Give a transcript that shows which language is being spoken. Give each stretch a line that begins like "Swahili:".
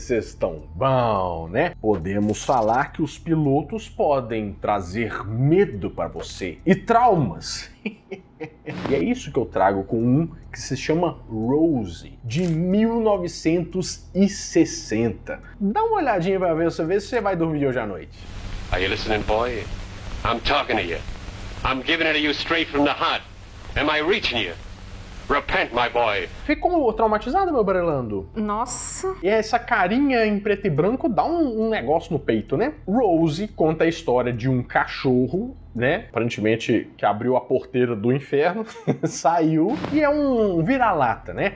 Portuguese: Vocês estão bom, né? Podemos falar que os pilotos podem trazer medo para você e traumas. E é isso que eu trago com um que se chama Rosie, de 1960. Dá uma olhadinha para ver se você vai dormir hoje à noite.
English: Are you listening, boy? I'm talking to you. I'm giving it to you straight from the heart. Am I reaching you? Repent, my boy.
Portuguese: Ficou traumatizado, meu Brelando? Nossa. E essa carinha em preto e branco dá um negócio no peito, né? Rosie conta a história de um cachorro, né? Aparentemente que abriu a porteira do inferno, saiu e é um vira-lata, né?